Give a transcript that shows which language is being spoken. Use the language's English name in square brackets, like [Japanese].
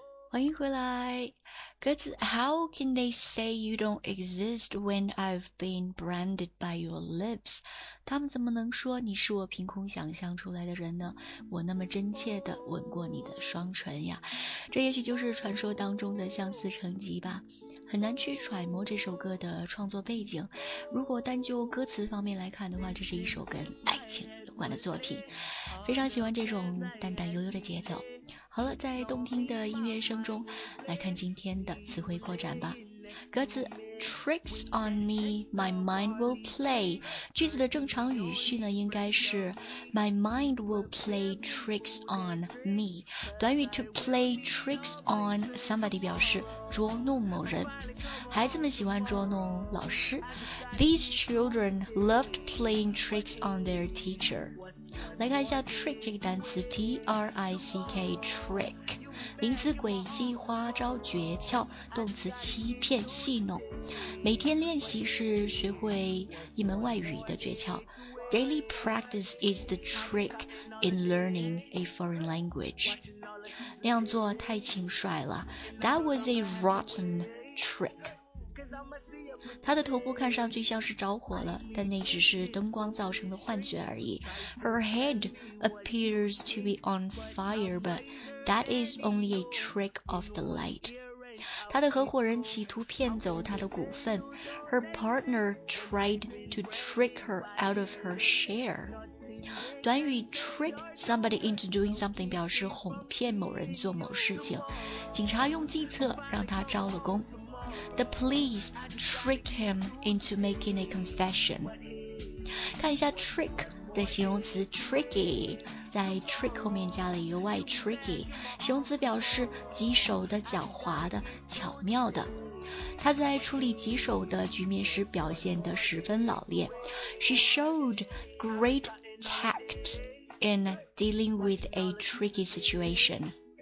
[English] How can they say you don't exist when I've been branded by your lips? [Chinese] 他们怎么能说你是我凭空想象出来的人呢？我那么真切地吻过你的双唇呀。这也许就是传说当中的相思成疾吧。很难去揣摩这首歌的创作背景。如果单就歌词方面来看的话，这是一首跟爱情有关的作品。非常喜欢这种淡淡悠悠的节奏。好了，在动听的音乐声中来看今天的词汇扩展吧。歌词 [English] Tricks on me, my mind will play。 [Chinese] 句子的正常语序呢，应该是 [English] My mind will play tricks on me。 [Chinese] 短语 [English] to play tricks on somebody [Chinese] 表示捉弄某人。孩子们喜欢捉弄老师。 [English] These children loved playing tricks on their teacher。 [Chinese] 来看一下 trick 这个单词 T-R-I-C-K trick 名词诡计花招诀窍动词欺骗戏弄每天练习是学会一门外语的诀窍 [English] Daily practice is the trick in learning a foreign language [Chinese] 那样做太轻率了 [English] That was a rotten trick [Chinese] 她的头部看上去像是着火了，但那只是灯光造成的幻觉而已。 [English] Her head appears to be on fire, but that is only a trick of the light. [Chinese] 她的合伙人企图骗走她的股份。 [English] Her partner tried to trick her out of her share. [Chinese] 短语 [English] trick somebody into doing something [Chinese] 表示哄骗某人做某事情。警察用计策让她招了工。 [English] The police tricked him into making a confession. [Chinese] 看一下 trick 的形容词 tricky。在 trick 后面加了一个 y tricky 形容词表示棘手的狡猾的巧妙的他在处理棘手的局面时表现得十分老练 [English] She showed great tact in dealing with a tricky situation